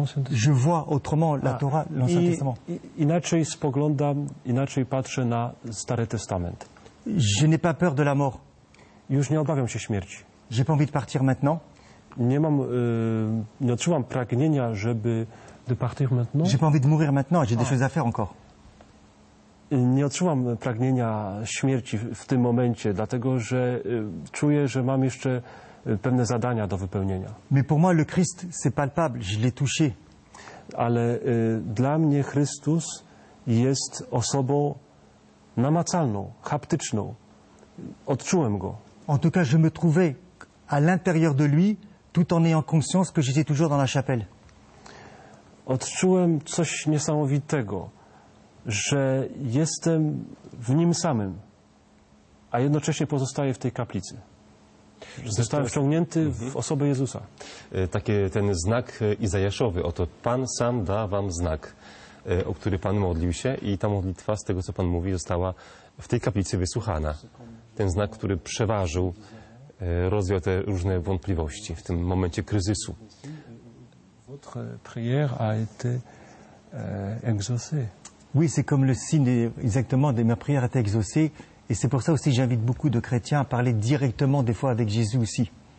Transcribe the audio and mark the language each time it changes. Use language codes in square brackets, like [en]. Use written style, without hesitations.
[fr] Je vois autrement la Torah, l'Ancien Testament. [pl] Inaczej spoglądam, inaczej patrzę na Stary Testament. [fr] Je n'ai pas peur de la mort. [pl] Już nie obawiam się śmierci. [fr] J'ai pas envie de partir maintenant. [pl] Nie mam, nie odczuwam pragnienia, żeby [fr] de partir maintenant. J'ai pas envie de mourir maintenant, j'ai des choses à faire encore. [pl] Nie odczuwam pragnienia śmierci w tym momencie, dlatego że czuję, że mam jeszcze pewne zadania do wypełnienia. [fr] Mais pour moi le Christ c'est palpable, je l'ai touché. [pl] Ale dla mnie Chrystus jest osobą namacalną, haptyczną. Odczułem go. [fr] En tout cas, je me trouvais à l'intérieur de lui tout en ayant conscience que j'étais toujours dans la chapelle. [pl] Odczułem coś niesamowitego, że jestem w nim samym, a jednocześnie pozostaję w tej kaplicy. Zostałem wciągnięty w osobę Jezusa. Taki ten znak Izajaszowy, oto Pan sam da wam znak, o który Pan modlił się i ta modlitwa, z tego co Pan mówi, została w tej kaplicy wysłuchana. Ten znak, który przeważył, rozwiał te różne wątpliwości w tym momencie kryzysu. [fr] Votre prière a été exaucée. Oui, c'est comme le signe exactement de ma prière a été exaucée. Et c'est pour ça aussi que j'invite beaucoup de chrétiens à parler directement des fois avec Jésus aussi.